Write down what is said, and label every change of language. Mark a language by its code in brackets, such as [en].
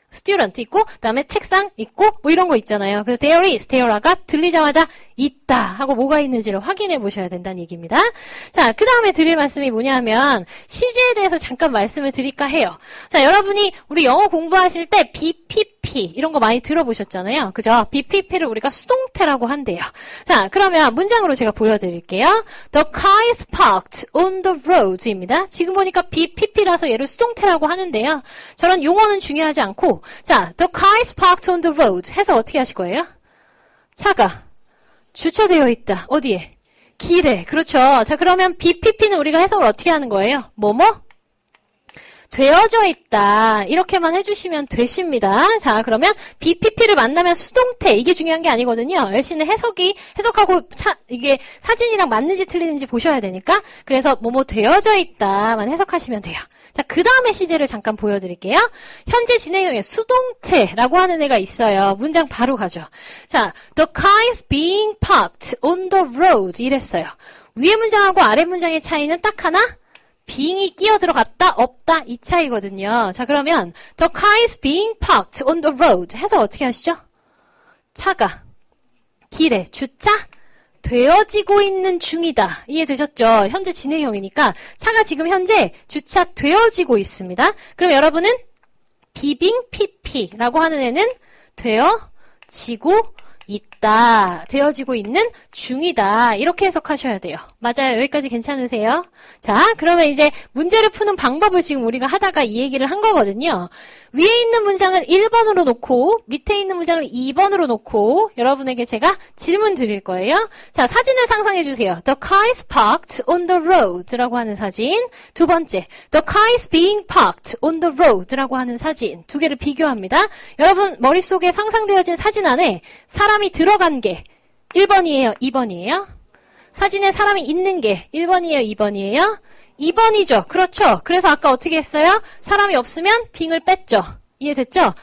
[ko] student 있고, 그 다음에 책상 있고, 뭐 이런 거 있잖아요. 그래서 [en] there is, [ko] there가 들리자마자 있다 하고 뭐가 있는지를 확인해 보셔야 된다는 얘기입니다. 자, 그 다음에 드릴 말씀이 뭐냐면, 시제에 대해서 잠깐 말씀을 드릴까 해요. 자, 여러분이 우리 영어 공부하실 때 BPP 이런 거 많이 들어보셨잖아요. 그죠? BPP를 우리가 수동태라고 한대요. 자, 그러면 문장으로 제가 보여드릴게요. [en] The car is parked on the road 입니다. [ko] 지금 보니까 BPP라서 얘를 수동태라고 하는데요. 저런 용어는 중요하지 않고, 자, [en] the car is parked on the road [ko] 해서 어떻게 하실 거예요? 차가 주차되어 있다. 어디에? 길에. 그렇죠. 자, 그러면 BPP는 우리가 해석을 어떻게 하는 거예요? 뭐뭐? 되어져 있다. 이렇게만 해주시면 되십니다. 자, 그러면 BPP를 만나면 수동태. 이게 중요한 게 아니거든요. 열심히 해석하고 이게 사진이랑 맞는지 틀리는지 보셔야 되니까. 그래서 뭐뭐 되어져 있다만 해석하시면 돼요. 자, 그 다음에 시제를 잠깐 보여드릴게요. 현재 진행형의 수동태라고 하는 애가 있어요. 문장 바로 가죠. [en] 자, the car is being parked on the road 이랬어요. [ko] 위에 문장하고 아래 문장의 차이는 딱 하나? being이 끼어 들어갔다, 없다, 이 차이거든요. 자, 그러면 [en] the car is being parked on the road [ko] 해서 어떻게 하시죠? 차가 길에 주차? 되어지고 있는 중이다. 이해되셨죠? 현재 진행형이니까 차가 지금 현재 주차되어지고 있습니다. 그럼 여러분은 being PP라고 하는 애는 되어지고 있다. 되어지고 있는 중이다. 이렇게 해석하셔야 돼요. 맞아요. 여기까지 괜찮으세요? 자, 그러면 이제 문제를 푸는 방법을 지금 우리가 하다가 이 얘기를 한 거거든요. 위에 있는 문장을 1번으로 놓고 밑에 있는 문장을 2번으로 놓고 여러분에게 제가 질문 드릴 거예요. 자, 사진을 상상해 주세요. [en] The car is parked on the road [ko] 라고 하는 사진. 두 번째, [en] The car is being parked on the road 라고 하는 사진. [ko] 두 개를 비교합니다. 여러분 머릿속에 상상되어진 사진 안에 사람이 들어간 게 1번이에요? 2번이에요? 사진에 사람이 있는 게 1번이에요? 2번이에요? 2번이죠. 그렇죠. 그래서 아까 어떻게 했어요? 사람이 없으면 빙을 뺐죠. 이해됐죠?